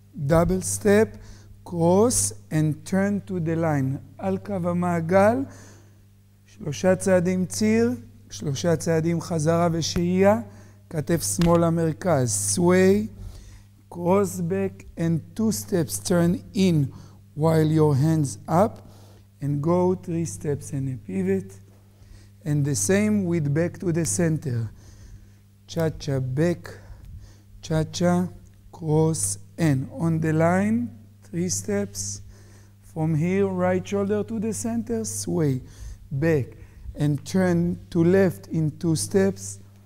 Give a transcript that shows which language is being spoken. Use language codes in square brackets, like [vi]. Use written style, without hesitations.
[en] Double step, cross and turn to the line. [he] על קו המעגל, שלושה צעדים ציר, שלושה צעדים חזרה ושהייה, כתף שמאל המרכז, [en] sway, cross back and two steps turn in while your hands up and go three steps and a pivot. And the same with back to the center. Cha-cha, back, cha-cha, cross, and on the line, three steps. From here, right shoulder to the center, sway, back, and turn to left in two steps.